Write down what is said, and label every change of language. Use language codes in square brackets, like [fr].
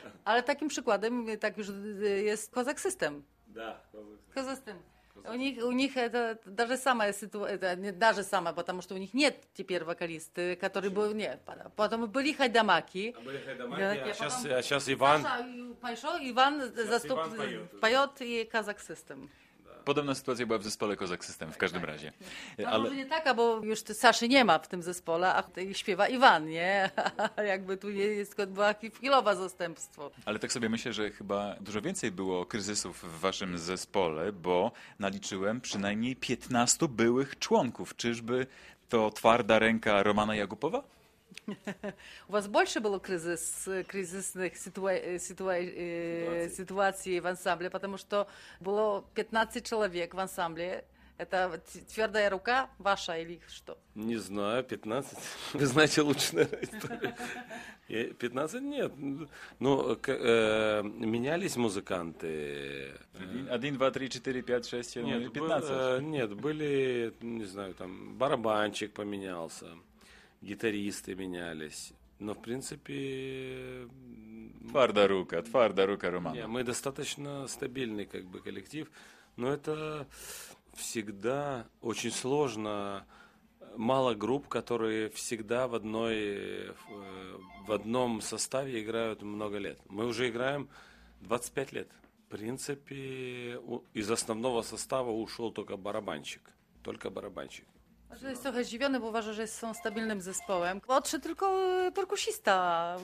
[pl] Ale takim przykładem tak już jest Kozak System. Tak, Kozak System. U nich to [ru] даже самая ситуация, не даже сама, потому что у них нет теперь вокалисты, который был, не, потом были хайдамаки. А сейчас Иван. Пошел, Иван заступил, поет и Kozak System. [pl] Podobna sytuacja była w zespole Kozak System, w każdym razie. Ale... Może nie taka, bo już Saszy nie ma w tym zespole, a tutaj śpiewa Iwan, nie? Jakby tu nie jest, była chwilowa zastępstwo. Ale tak sobie myślę, że chyba dużo więcej było kryzysów w waszym zespole, bo naliczyłem przynajmniej 15 byłych członków. Czyżby to twarda ręka Romana Jagupowa? [ru] У вас больше было кризисных ситуаций в ансамбле, потому что было 15 человек в ансамбле, Это твердая рука ваша или что? Не знаю, 15. Вы знаете лучше, наверное, историю. 15 нет. Но менялись музыканты. 1, 2, 3, 4, 5, 6, 7, 15. Нет, были, не знаю, там барабанщик поменялся, гитаристы менялись. Но, в принципе... Тварда рука, Роман. Нет, мы достаточно стабильный как бы коллектив. Но это всегда очень сложно. Мало групп, которые всегда в одном составе играют много лет. Мы уже играем 25 лет. В принципе, из основного состава ушел только барабанщик. Только барабанщик. [pl] Może jest trochę zdziwiony, bo uważa, że są stabilnym zespołem. Odszedł tylko perkusista.